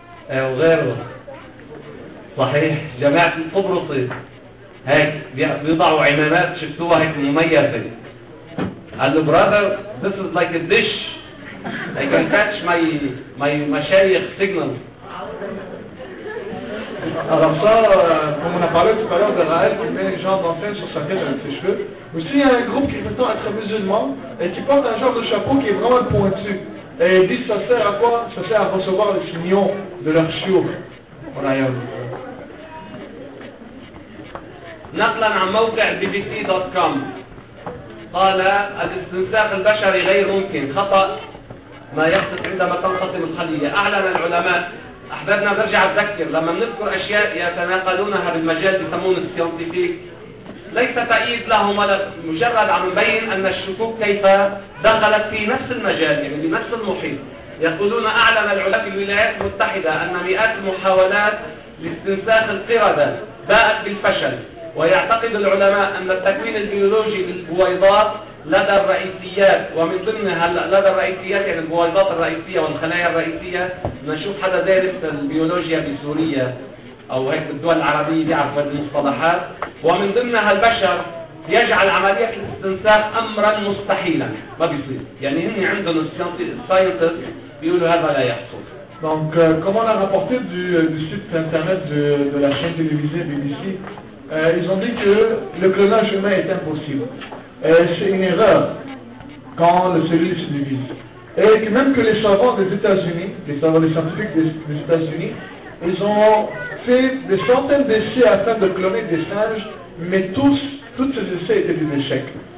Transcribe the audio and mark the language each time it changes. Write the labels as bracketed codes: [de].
[ar] وغيره صحيح جماعة القبرصي هيك بيضعوا عمامات شفتوها هيك مميزة قالوا [en] brother this is like a dish they can catch my [ar] مشايخ signal [fr] alors ça comme on a parlé tout à l'heure de Raël qui met les gens d'antenne sur sa tête avec ses cheveux aussi il y a un groupe qui prétend être musulman et qui porte un genre de chapeau qui est vraiment pointu et ils disent ça sert à quoi? Ça sert à recevoir les signaux de leur chiot voilà il y a [ar] نقلا عن موقع bbc.com قال الاستنساخ البشري غير ممكن خطأ ما يحدث عندما تنقسم الخلية أعلن العلماء أحببنا نرجع نذكر لما نذكر أشياء يتناقلونها بالمجال يسمون الساينتيفيك ليس تأييد لهم ولا مجرد عم بين أن الشكوك كيف دخلت في نفس المجال يعني في نفس المحيط يقولون أعلن العلماء في الولايات المتحدة أن مئات المحاولات لاستنساخ القردة باءت بالفشل، ويعتقد العلماء أن التكوين البيولوجي للبويضات لدى الرئيسيات، ومن ضمنها لدى الرئيسيات يعني البويضات الرئيسية والخلايا الرئيسية، نشوف حدا دارس البيولوجيا بسوريا أو هيك بالدول العربية بيعرفوا هذه المصطلحات، ومن ضمنها البشر، يجعل عملية الاستنساخ أمرا مستحيلا، ما بيصير. يعني هني عندهم الساينتست بيقولوا هذا لا يحصل. [fr] Donc, comment l'a rapporté du site internet de la chaîne télévisée BBC, ils ont dit que le clonage humain est impossible. C'est une erreur quand le cellule se divise. Et que même que les savants des États-Unis, les savants, les scientifiques des États-Unis, ils ont fait des centaines d'essais afin de cloner des singes, mais tous ces essais étaient des échecs.